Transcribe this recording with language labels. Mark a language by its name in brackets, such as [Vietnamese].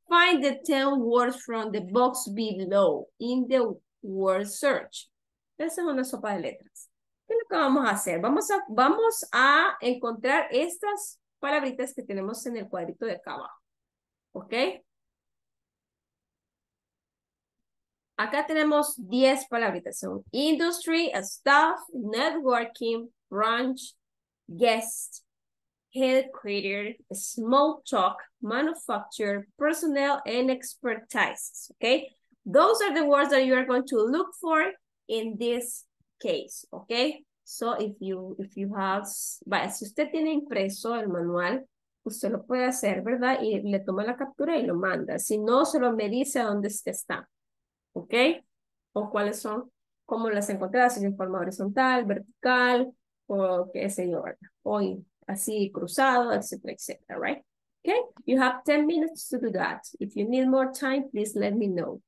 [English] Find the 10 words from the box below in the word search. [Spanish] Esa es una sopa de letras. ¿Qué es lo que vamos a hacer? Vamos a encontrar estas palabritas que tenemos en el cuadrito de acá abajo. ¿Ok? Acá tenemos 10 palabritas. Son [English] industry, staff, networking, branch, guest, headquarter, small talk, manufacturer, personnel, and expertise. Okay? Those are the words that you are going to look for in this case. [Spanish] Okay? [English] So if you have, [Spanish] vaya, si usted tiene impreso el manual, usted lo puede hacer, ¿verdad? Y le toma la captura y lo manda. Si no, solo me dice dónde está. ¿Ok? O cuáles son, cómo las encontradas, si en forma horizontal, vertical, o qué sé yo, ¿verdad? O así cruzado, etcétera, etcétera, ¿right? [English] ¿Ok? You have 10 minutes to do that. If you need more time, please let me know.